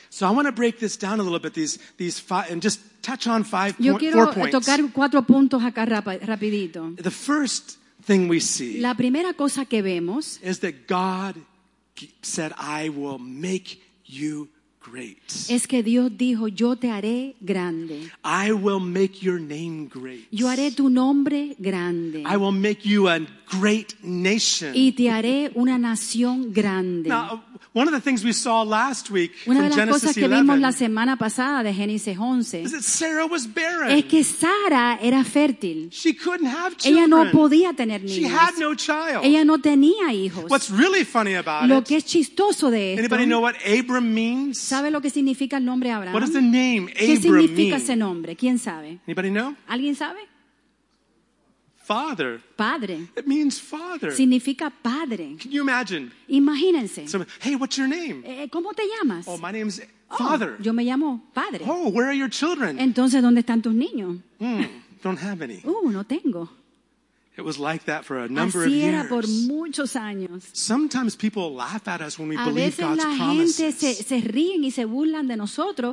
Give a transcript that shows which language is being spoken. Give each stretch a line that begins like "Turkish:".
English: So I want to break this down a little bit, these five, and just touch on five
Spanish: Yo quiero
English: four points.
Spanish: Tocar cuatro puntos acá rapidito.
English: The first thing we see
Spanish: La primera cosa que vemos
English: is that God said, I will make you great.
Spanish: Es que Dios dijo, Yo te haré grande.
English: I will make your name great.
Spanish: Yo haré tu nombre grande.
English: I will make you a great nation.
Spanish: Y te haré una nación grande.
English: Now, one of the things we saw last week
Spanish: Una de las
English: Genesis
Spanish: cosas que
English: 11,
Spanish: vimos la semana pasada de Génesis 11
English: is that Sarah was barren.
Spanish: Es que Sara era fértil.
English: She couldn't have children.
Spanish: Ella no podía tener niños.
English: She had no child.
Spanish: Ella no tenía hijos.
English: What's really funny about
Spanish: lo
English: it,
Spanish: que es chistoso de esto,
English: anybody know what Abram means?
Spanish: ¿Sabe lo que significa el nombre Abraham?
English: What does the name Abram mean?
Spanish: ¿Qué significa ese nombre? ¿Quién sabe?
English: Anybody know?
Spanish: ¿Alguien sabe?
English: Father.
Spanish: Padre.
English: It means father.
Spanish: Significa padre.
English: Can you imagine?
Spanish: Imagínense.
English: So, hey, what's your name?
Spanish: ¿Cómo te llamas?
English: Oh, my name's father.
Spanish: Yo me llamo padre.
English: Oh, where are your children?
Spanish: Entonces, ¿dónde están tus niños?
English: Don't have any.
Spanish: No tengo.
English: It was like that for a number of years.
Spanish: Así era por muchos años.
English: Sometimes people laugh at us when we believe God's promises.
Spanish: A veces la gente se ríen y se burlan de nosotros